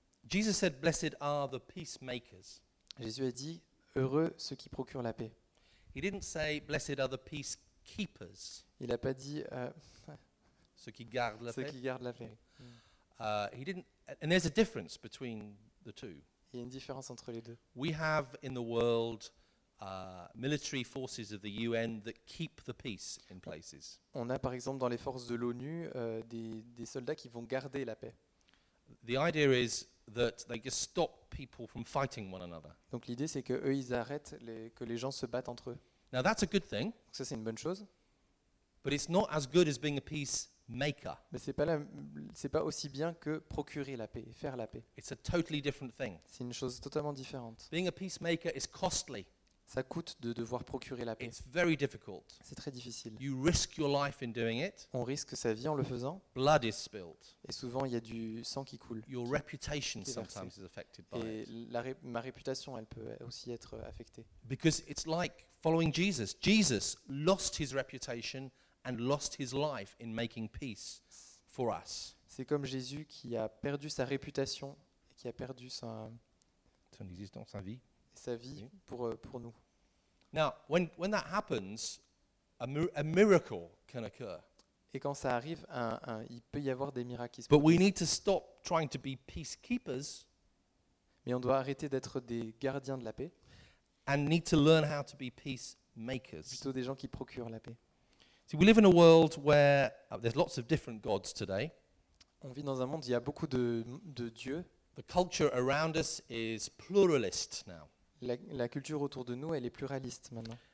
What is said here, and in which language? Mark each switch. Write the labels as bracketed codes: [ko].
[en] Jesus said, "Blessed are the peacemakers." [fr] Jésus a dit, heureux ceux qui procurent la paix. [en] He didn't say, "Blessed are the peacemakers." [fr] Il n'a pas dit ceux qui gardent la paix. Ceux qui gardent la paix. [en] He didn't. And there's a difference between the two. [fr] Il y a une différence entre les deux. [en] We have in the world military forces of the UN that keep the peace in places. [fr] On a par exemple dans les forces de l'ONU des soldats qui vont garder la paix. [en] The idea is that they just stop people from fighting one another. [fr] Donc l'idée c'est que eux ils arrêtent que les gens se battent entre eux. [en] Now that's a good thing. [fr] Ça c'est une bonne chose. [en] But it's not as good as being a peacemaker. [fr] Mais c'est pas aussi bien que procurer la paix, faire la paix. [en] It's a totally different thing. [fr] C'est une chose totalement différente. [en] Being a peacemaker is costly. [fr] Ça coûte de devoir procurer la paix. [en] It's very difficult. [fr] C'est très difficile. [en] You risk your life in doing it. [fr] On risque sa vie en le faisant. [en] Blood is spilled. [fr] Et souvent il y a du sang qui coule. [en] Your reputation sometimes is affected by it. [fr] Et ma réputation, elle peut aussi être affectée. [en] Because it's like following Jesus. Jesus lost his reputation and lost his life in making peace for us. [fr] C'est comme Jésus qui a perdu sa réputation et qui a perdu son existence, sa vie. Sa vie pour nous. Now, when that happens, a miracle can occur. Et quand ça arrive, il peut y avoir des miracles qui se produisent. [en] But we need to stop trying to be peacekeepers. [fr] Mais on doit arrêter d'être des gardiens de la paix. [en] And need to learn how to be peacemakers. [fr] Plutôt des gens qui procurent la paix. [en] See, we live in a world where there's lots of different gods today. [fr] On vit dans un monde où il y a beaucoup de dieux. [en] The culture around us is pluralist now. [fr] La culture autour de nous, elle est pluraliste maintenant.